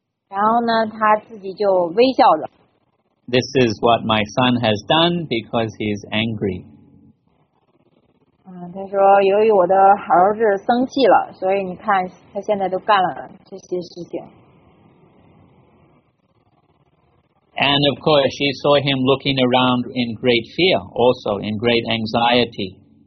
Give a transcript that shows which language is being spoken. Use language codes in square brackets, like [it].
[zh] 然后呢，他自己就微笑着。 [en] This is what my son has done because he is angry. [zh] 他说由于我的儿子生气了，所以你看他现在都干了这些事情。 [en] And of course, she saw him looking around in great fear, also in great anxiety.